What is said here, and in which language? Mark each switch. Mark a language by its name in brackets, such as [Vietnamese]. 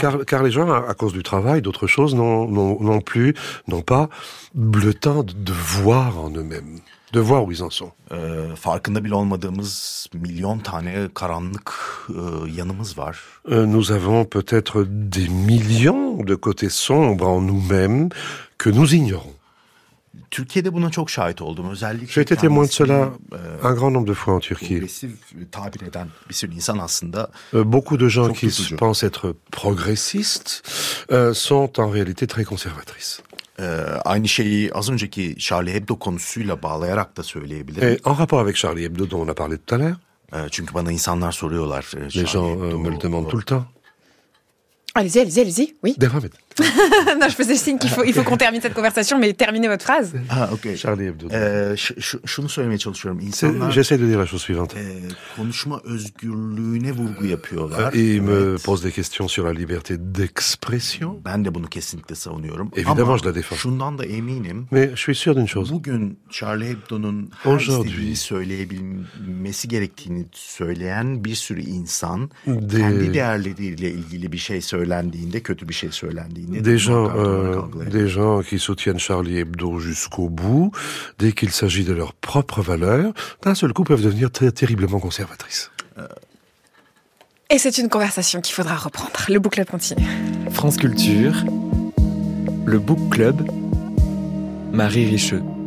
[French] Car les gens, à cause du travail, d'autres choses, n'ont pas le temps de voir en eux-mêmes, de voir où ils en sont. [Turkish] Farkında bile olmadığımız milyon tane karanlık yanımız var. [French] Nous avons peut-être des millions de côtés sombres en nous-mêmes que nous ignorons. [Turkish] Türkiye'de buna çok şahit oldum. Özellikle [French] j'ai été témoin de cela un grand nombre de fois en Turquie. [Turkish] Tabir eden bir sürü insan aslında [French] beaucoup de gens qui pensent être progressistes sont en réalité très conservatrices. [Turkish] Aynı şeyi az önceki Charlie Hebdo konusuyla bağlayarak da söyleyebilirim. [French] En rapport avec Charlie Hebdo dont on a parlé tout à l'heure. [Turkish] Çünkü bana insanlar soruyorlar. [French] Les gens me le demandent tout le temps. Allez-y, oui. Devant. Non, je faisais signe qu'il faut qu'on termine cette conversation, mais terminez votre phrase. Ah, ok. Charlie Hebdo. [Turkish] Şunu söylemeye çalışıyorum. [French] J'essaie de dire la chose suivante. [Turkish] Konuşma özgürlüğüne vurgu yapıyorlar. [French] Me pose des questions sur la liberté d'expression. [Turkish] Ben de bunu kesinlikle savunuyorum. [French] Évidemment, je la défends. [Turkish] Şundan da eminim. [French] Mais je suis sûr d'une chose. [Turkish] Bugün Charlie Hebdo'nun her aujourd'hui, istediğini söyleyebilmesi gerektiğini söyleyen bir sürü insan kendi değerleriyle ilgili bir şey söylendiğinde kötü bir şey söylendi. [French] Des gens qui soutiennent Charlie Hebdo jusqu'au bout, dès qu'il s'agit de leurs propres valeurs, d'un seul coup peuvent devenir très terriblement conservatrices. Et c'est une conversation qu'il faudra reprendre. Le Book Club continue. France Culture, le Book Club, Marie Richeux.